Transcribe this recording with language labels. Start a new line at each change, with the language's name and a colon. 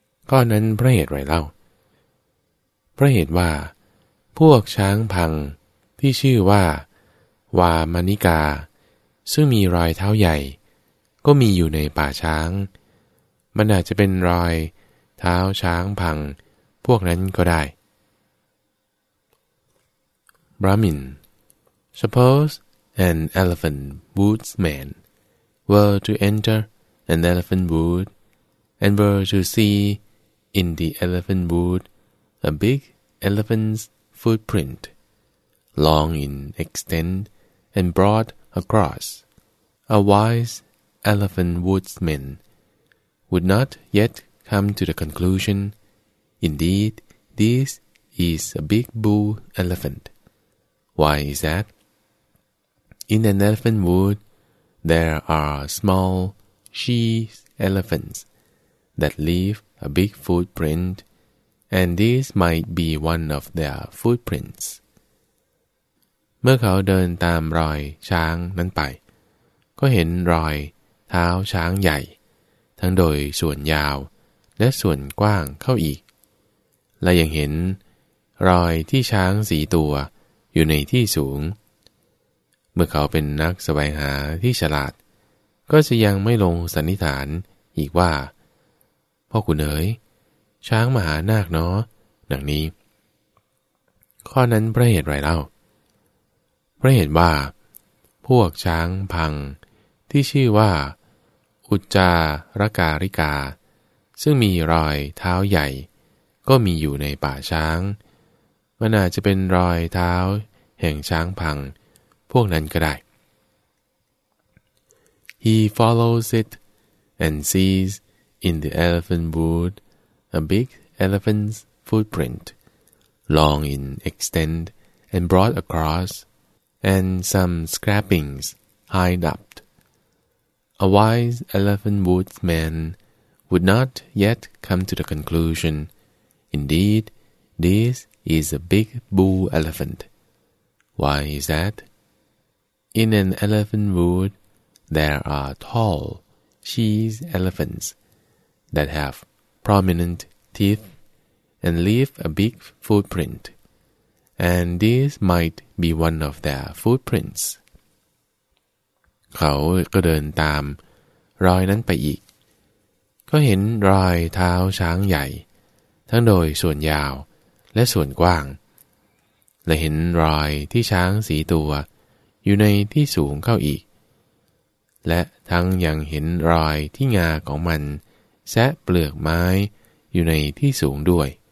Thai: ก็นั้นเพราะเหตุไรเล่าเพราะเหตุว่าพวกช้างพังที่ชื่อว่าวามานิกาซึ่งมีรอยเท้าใหญ่ก็มีอยู่ในป่าช้างมันอาจจะเป็นรอยเท้าช้างพังพวกนั้นก็ได้
English: Brahmin, suppose an elephant woodsman were to enter an elephant wood and were to see in the elephant wood a big elephant's footprint, long in extent and broad across. A wise elephant woodsman would not yet come to the conclusion. Indeed, this is a big bull elephant. Why is that? In an elephant wood, there are small she elephants that leave a big footprint, and this might be one of their footprints.
Thai: เมื่อเขาเดินตามรอยช้างนั้นไปก็เห็นรอยเท้าช้างใหญ่ทั้งโดยส่วนยาวและส่วนกว้างเข้าอีกและยังเห็นรอยที่ช้างสีตัวอยู่ในที่สูงเมื่อเขาเป็นนักแสวงหาที่ฉลาดก็จะยังไม่ลงสันนิษฐานอีกว่าพ่อขุนเอ๋ยช้างมหานาคเนาะดังนี้ ข้อนั้นเพราะเหตุไรเล่าเพราะเหตุว่าพวกช้างพังที่ชื่อว่าอุจจาระการิกาซึ่งมีรอยเท้าใหญ่ก็มีอยู่ในป่าช้างมันอาจจะเป็นรอยเท้าแห่งช้างพังพวกนั้นก็ได้
English: He follows it and sees in the elephant wood a big elephant's footprint long in extent and broad across and some scrappings high up. A wise elephant woodsman would not yet come to the conclusionIndeed, this is a big bull elephant. Why is that? In an elephant wood, there are tall she elephants that have prominent teeth and leave a big footprint, and this might be one of their footprints.
Thai: เขาก็เดินตามรอยนั้นไปอีกก็เห็นรอยเท้าช้างใหญ่ทั้งโดยส่วนยาวและส่วนกว้างและเห็นรอยที่ช้างสีตัวอยู่ในที่สูงเข้าอีกและทั้งยังเห็นรอยที่งาของมันแซะเปลือกไม้อยู่ในที่สูงด้วย